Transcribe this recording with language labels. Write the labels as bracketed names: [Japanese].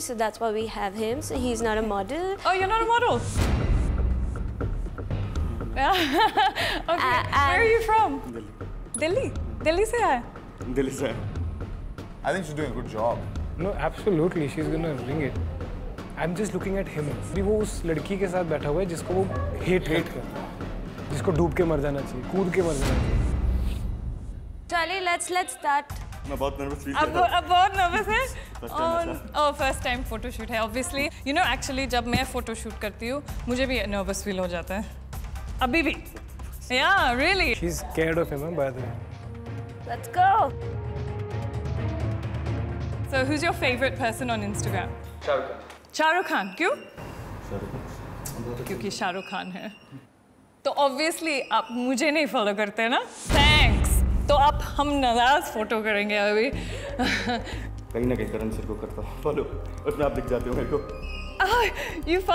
[English] So that's why we have him. So he's not a model. Oh, you're not a model. Okay. Where are you from? Delhi. [Hindi] Delhi. Delhi se hai. Delhi se. [English] I think she's doing a good job. No, absolutely. She's gonna bring it. I'm just looking at him. [Hindi] भी वो उस लड़की के साथ बैठा हुआ है जिसको वो hate कर रहा है. इसको डूब के मर जाना चाहिए, कूद के मर जाना चाहिए। [English] चलिए, let's start। [Hindi] मैं बहुत nervous हूँ। अब बहुत nervous हैं। [English] Oh, first time photo shoot है, obviously. You know, actually, [Hindi] जब मैं photo shoot करती हूँ, मुझे भी nervous feel हो जाता है। अभी भी? [English] Yeah, really. She's scared of him, by the way. Let's go. So, who's your favorite person on Instagram? Shahrukh. [Hindi] Shahrukh Khan. क्यों? Shahrukh. क्योंकि Shahrukh Khan है। तो ऑब्वियसली आप मुझे नहीं फॉलो करते ना? थैंक्स। तो आप हम नाराज फोटो करेंगे अभी। कहीं ना कहीं करण सर को करता हूँ फॉलो, उसमें आप दिख जाते हो मेरे को।